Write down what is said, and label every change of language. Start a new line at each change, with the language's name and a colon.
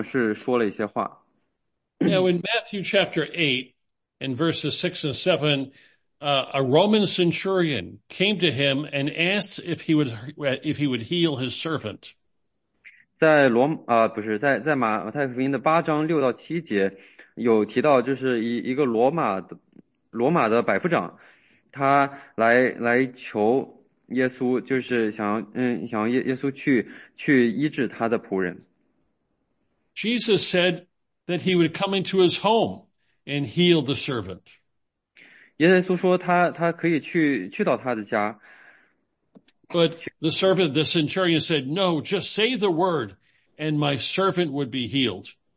Chinese: 有一次呢，就是主耶稣他用口水混了一些泥土，然后将这个泥土涂抹在一个人的眼睛上。然后除此之外呢，主耶稣的医治就是，要么是触摸，要么是说了一些话。
English: Now in Matthew chapter 8 and verses 6 and 7, a Roman centurion came to him and asked if he would heal his servant.
Chinese: 在罗马太福音的八章六到七节，有提到就是一个罗马的百夫长，他来求耶稣，就是想耶稣去医治他的仆人。Jesus
English: said that he would come into his home and heal the servant.
Chinese: 耶稣说他可以去到他的家。
English: But the servant, the centurion said, no, just say the word. And my servant would be healed.